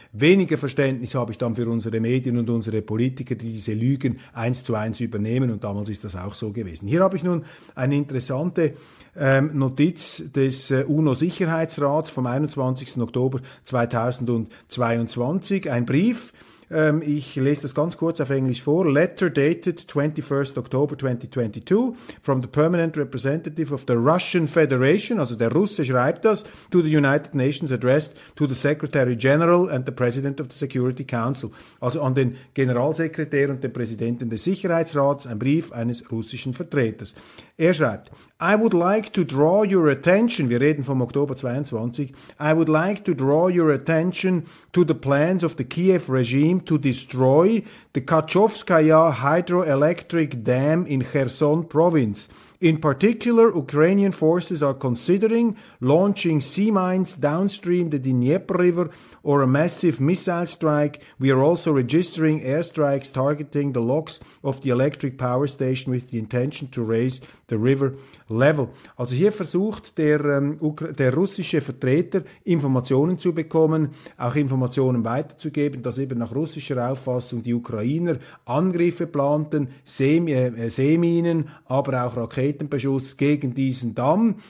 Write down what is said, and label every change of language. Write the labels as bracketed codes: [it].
[de] Weniger Verständnis habe ich dann für unsere Medien und unsere Politiker, die diese Lügen eins zu eins übernehmen, und damals ist das auch so gewesen. Hier habe ich nun eine interessante Notiz des UNO-Sicherheitsrats vom 21. Oktober 2022, ein Brief. Ich lese das ganz kurz auf Englisch vor. [en] Letter dated 21st October 2022 from the permanent representative of the Russian Federation, [de] also der Russe schreibt das, [en] to the United Nations addressed to the Secretary General and the President of the Security Council. Also an den Generalsekretär und den Präsidenten des Sicherheitsrats, ein Brief eines russischen Vertreters. [de] Er schreibt, [en] I would like to draw your attention, [de] wir reden vom Oktober 22, [en] I would like to draw your attention to the plans of the Kiev regime to destroy the Kachovskaya hydroelectric dam in Kherson province. In particular, Ukrainian forces are considering launching sea mines downstream the Dnieper River or a massive missile strike. We are also registering airstrikes targeting the locks of the electric power station with the intention to raise the river level. [de] Also hier versucht der russische Vertreter, Informationen zu bekommen, auch Informationen weiterzugeben, dass eben nach russischer Auffassung die Ukrainer Angriffe planten, Seeminen, aber auch Raketenbeschuss gegen diesen Damm.